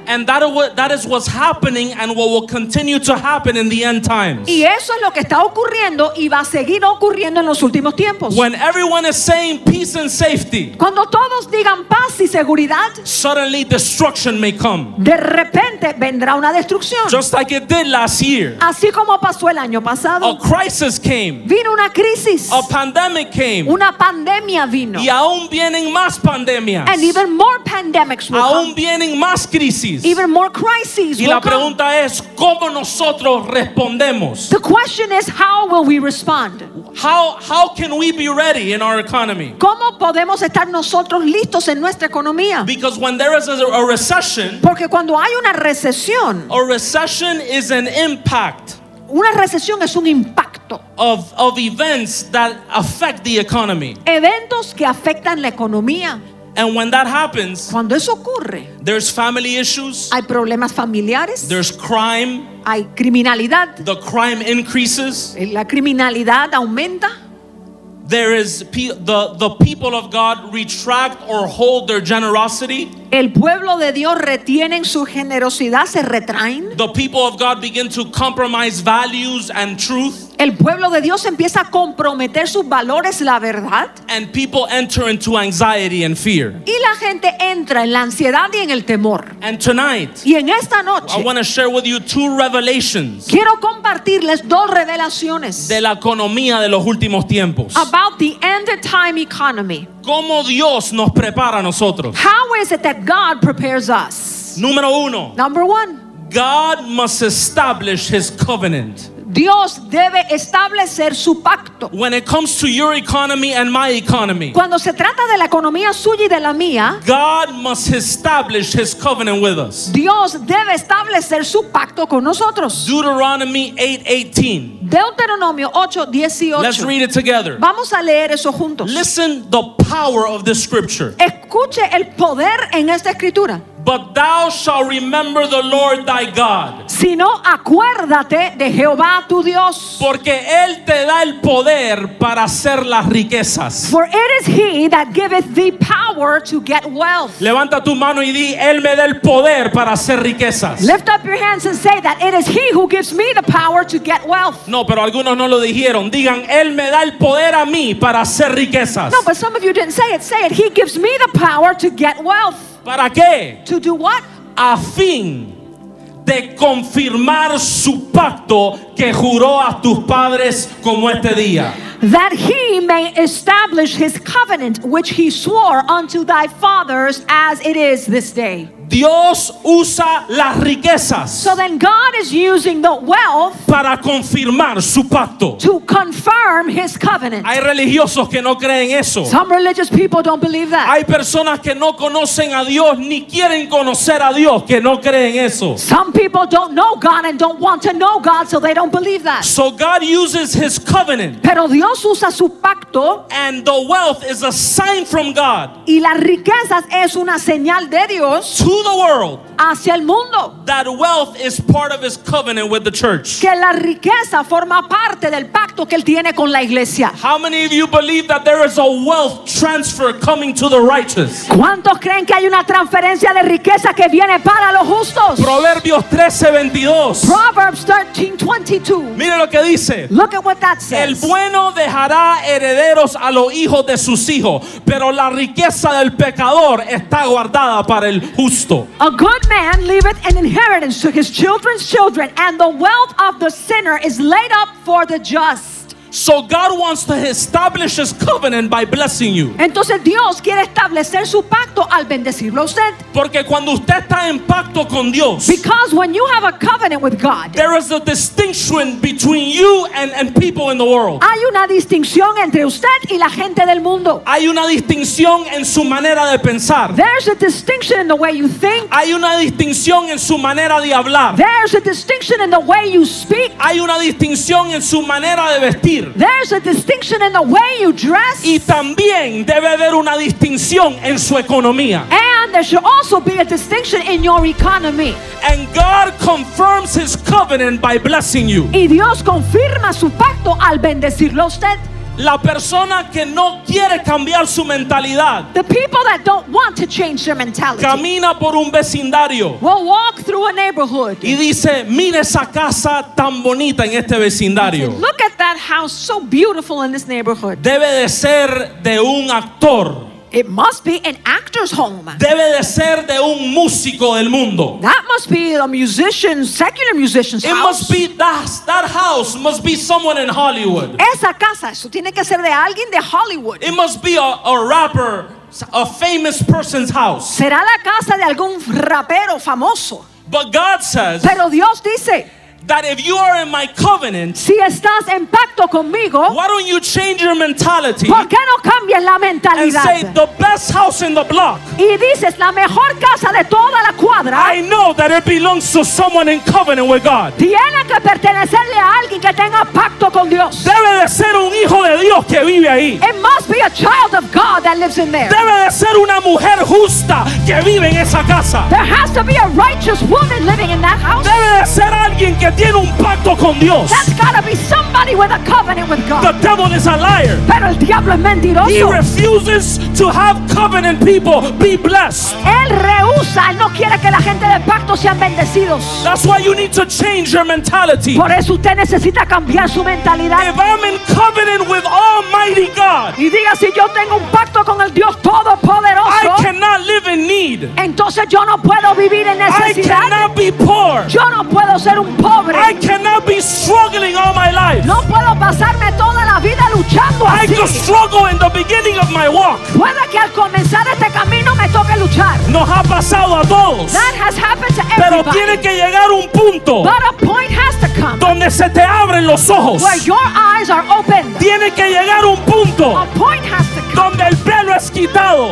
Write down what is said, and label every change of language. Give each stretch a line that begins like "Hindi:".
English: And that is what's happening and what will continue to happen in the end times.
Spanish: Y eso es lo que está ocurriendo y va a seguir ocurriendo en los últimos tiempos.
English: When everyone is saying peace and safety.
Spanish: Cuando todos digan paz y seguridad.
English: Suddenly destruction may come.
Spanish: De repente vendrá una destrucción.
English: Just like it did last year.
Spanish: Así como pasó el año pasado.
English: A crisis came.
Spanish: Vino una crisis.
English: A pandemic came.
Spanish: Una pandemia vino. Y aún vienen más pandemias.
English: And even more pandemics will
Spanish: aún
English: come.
Spanish: Vienen más crisis.
English: Even more crises
Spanish: y
English: will
Spanish: la pregunta
English: come.
Spanish: Es ¿cómo nosotros respondemos?
English: The question is how will we respond? How can we be ready in our economy?
Spanish: ¿Cómo podemos estar nosotros listos en nuestra economía?
English: Because when there is a recession.
Spanish: Porque cuando hay una recesión.
English: A recession is an impact.
Spanish: Una recesión es un impacto.
English: Of events that affect the economy.
Spanish: Eventos que afectan la economía.
English: And when that happens,
Spanish: cuando eso ocurre,
English: there's family issues.
Spanish: Hay problemas familiares.
English: There's crime.
Spanish: Hay criminalidad.
English: The crime increases.
Spanish: La criminalidad aumenta.
English: There is the people of God retract or hold their generosity.
Spanish: El pueblo de Dios retienen su generosidad, se retraen.
English: The people of God begin to compromise values and truth.
Spanish: El pueblo de Dios empieza a comprometer sus valores, la verdad.
English: And people enter into anxiety and fear.
Spanish: Y la gente entra en la ansiedad y en el temor.
English: And tonight,
Spanish: y en esta noche,
English: I want to share with you two revelations.
Spanish: Quiero compartirles dos revelaciones. De la economía de los últimos tiempos.
English: About the end time economy.
Spanish: ¿Cómo Dios nos prepara a nosotros?
English: How is it that God prepares us?
Spanish: Número uno.
English: Number one. God must establish his covenant.
Spanish: Dios debe establecer su pacto.
English: When it comes to your economy and my economy,
Spanish: cuando se trata de la economía suya y de la mía,
English: God must establish his covenant with us.
Spanish: Dios debe establecer su pacto con nosotros.
English: Deuteronomy 8:18.
Spanish: Deuteronomio 8:18.
English: Let's read it together.
Spanish: Vamos a leer eso juntos.
English: Listen the power of this scripture.
Spanish: Escuche el poder en esta escritura.
English: But thou shalt remember the Lord thy God.
Spanish: Sino acuérdate de Jehová tu Dios. Porque él te da el poder para hacer las riquezas.
English: For it is he that giveth thee power to get wealth.
Spanish: Levanta tu mano y di, él me da el poder para hacer riquezas.
English: Lift up your hands and say that it is he who gives me the power to get wealth.
Spanish: No, pero algunos no lo dijeron. Digan, él me da el poder a mí para hacer riquezas.
English: No, but some of you didn't say it. Say it. He gives me the power to get wealth.
Spanish: ¿Para qué?
English: To do what?
Spanish: A fin de confirmar su pacto que juró a tus padres como este día.
English: That he may establish his covenant which he swore unto thy fathers as it is this day.
Spanish: Dios usa las riquezas.
English: So then God is using the wealth
Spanish: para confirmar su pacto.
English: To confirm his covenant.
Spanish: Hay religiosos que no creen eso.
English: Some religious people don't believe that.
Spanish: Hay personas que no conocen a Dios ni quieren conocer a Dios que no creen eso.
English: Some people don't know God and don't want to know God, so they don't believe that. So God uses his covenant.
Spanish: Pero Dios usa su pacto.
English: And the wealth is a sign from God.
Spanish: Y las riquezas es una señal de Dios.
English: To the world,
Spanish: hacia el mundo,
English: that wealth is part of his covenant with the church.
Spanish: Que la riqueza forma parte del pacto que él tiene con la iglesia.
English: How many of you believe that there is a wealth transfer coming to the righteous?
Spanish: ¿Cuántos creen que hay una transferencia de riqueza que viene para los justos? Proverbios 13:22.
English: Proverbs 13:22.
Spanish: Mire lo que dice.
English: Look at what that says.
Spanish: El bueno dejará herederos a los hijos de sus hijos, pero la riqueza del pecador está guardada para el justo.
English: A good man leaveth an inheritance to his children's children, and the wealth of the sinner is laid up for the just. So God wants to establish his covenant by blessing you.
Spanish: Entonces Dios quiere establecer su pacto al bendecirlo a usted. Porque cuando usted está en pacto con Dios,
English: because when you have a covenant with God, there is a distinction between you and people in the world.
Spanish: Hay una distinción entre usted y la gente del mundo. Hay una distinción en su manera de pensar.
English: There's a distinction in the way you think.
Spanish: Hay una distinción en su manera de hablar.
English: There's a distinction in the way you speak.
Spanish: Hay una distinción en su manera de vestir.
English: There's a distinction in the way you dress.
Spanish: Y también debe haber una distinción en su economía.
English: And there should also be a distinction in your economy. And God confirms his covenant by blessing you.
Spanish: Y Dios confirma su pacto al bendecirlo a usted. La persona que no quiere cambiar su mentalidad,
English: the people that don't want to change their mentality,
Spanish: camina por un vecindario,
English: will walk through a neighborhood,
Spanish: y dice, mira esa casa tan bonita en este vecindario.
English: Said, look at that house, so beautiful in this neighborhood.
Spanish: Debe de ser de un actor.
English: It must be an actor's home.
Spanish: Debe de ser de un músico del mundo.
English: That must be a musician, secular musician's it house. It must be that house must be someone in Hollywood.
Spanish: Esa casa, eso tiene que ser de alguien de Hollywood.
English: It must be a rapper, a famous person's house.
Spanish: Será la casa de algún rapero famoso.
English: But God says,
Spanish: pero Dios dice,
English: that if you are in my covenant,
Spanish: si estás en pacto conmigo,
English: why don't you change your mentality?
Spanish: ¿Por qué no cambias la mentalidad?
English: And say the best house in the block.
Spanish: Y dices la mejor casa de toda la cuadra.
English: I know that it belongs to someone in covenant with God.
Spanish: Tiene que pertenecerle a alguien que tenga pacto con Dios. Debe de ser un hijo de Dios que vive ahí.
English: It must be a child of God that lives in there.
Spanish: Debe de ser una mujer justa que vive en esa casa.
English: There has to be a righteous woman living in that house.
Spanish: Debe de ser alguien que tiene un pacto con Dios.
English: That's gotta be somebody with a covenant with God. The devil is a liar.
Spanish: Pero el diablo es mentiroso.
English: He refuses to have covenant people be blessed.
Spanish: Él rehúsa, él no quiere que la gente del pacto sean bendecidos.
English: That's why you need to change your mentality.
Spanish: Por eso usted necesita cambiar su mentalidad.
English: If I'm in covenant with Almighty God,
Spanish: y diga, si yo tengo un pacto con el Dios Todopoderoso,
English: I cannot live in need.
Spanish: Entonces yo no puedo vivir en necesidad.
English: I cannot be poor.
Spanish: Yo no puedo ser un pobre.
English: I cannot be struggling all my life.
Spanish: No puedo pasarme toda la vida luchando así.
English: I could struggle in the beginning of my walk.
Spanish: Puede que al comenzar este camino me toque luchar. Nos ha pasado a todos.
English: That has happened to everybody.
Spanish: Pero tiene que llegar un punto.
English: But a point has to come.
Spanish: Donde se te abren los ojos.
English: Where your eyes are opened.
Spanish: Tiene que llegar un punto.
English: A point has to come.
Spanish: Donde el velo es quitado.